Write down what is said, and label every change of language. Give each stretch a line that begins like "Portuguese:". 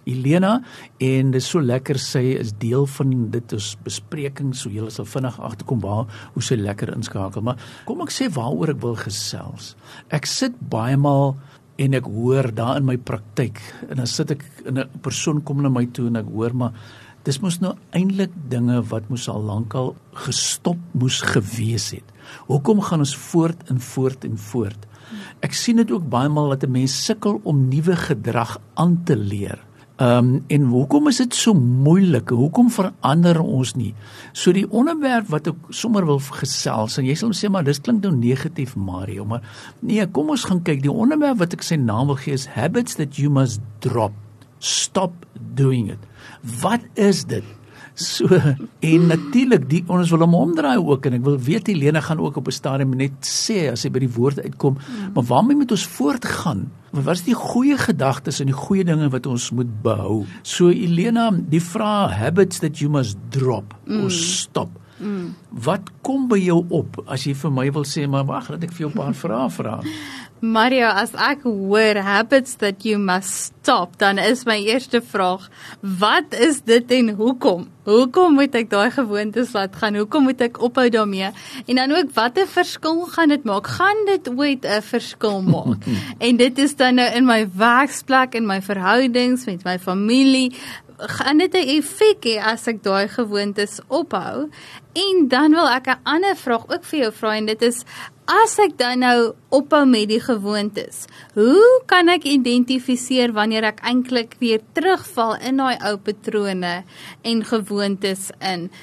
Afrikaans: Elena, en dis so lekker, sy is deel van dit, ons bespreking, so jy sal vinnig agterkom waar hoe sy lekker inskakel. Maar kom ek sê waaroor ek wil gesels. Ek sit baie maal en ek hoor daar in my praktyk, en dan sit ek in 'n persoon kom na my toe en ek hoor, maar dis moes nou eintlik dinge wat moes al lankal gestop moes gewees het. Hoekom gaan ons voort en voort en voort? Ek sien dit ook baie maal dat 'n mens sukkel om nuwe gedrag aan te leer. En hoekom is dit so moeilik? Hoekom verander ons nie? So die onderwerp wat ek sommer wil gesels, en jy sal sê, maar dis klink nou negatief, Mario, maar nee, kom ons gaan kyk. Die onderwerp wat ek sy naam wil gee is
English: Habits That You Must Drop. Stop doing it.
Afrikaans: Wat is dit? So, en natuurlik, die ons wil hom omdraai ook, en ek wil weet, Helene gaan ook op 'n stadium net sê, as hy by die woord uitkom, maar waarmee moet ons voortgaan? Wat is die goeie gedagtes en die goeie dinge wat ons moet behou? So, Helene, die vraag,
English: habits that you must drop, or stop.
Afrikaans: Wat kom by jou op, as jy vir my wil sê, maar wag, dat ek vir jou 'n paar vrae vra? Mario, as ek hoor
English: habits that you must stop,
Afrikaans: dan is my eerste vraag, wat is dit en hoekom? Hoekom moet ek daai gewoontes laat gaan? Hoekom moet ek ophou daarmee? En dan ook, wat 'n verskil gaan dit maak? Gaan dit ooit 'n verskil maak? En dit is dan nou in my werksplek, in my verhoudings, met my familie, gaan dit 'n effek hê as ek daai gewoontes ophou? En dan wil ek 'n ander vraag ook vir jou vra, en dit is, as ek dan nou ophou met die gewoontes, hoe kan ek identifiseer wanneer ek eintlik weer terugval in daai ou patrone en gewoontes in?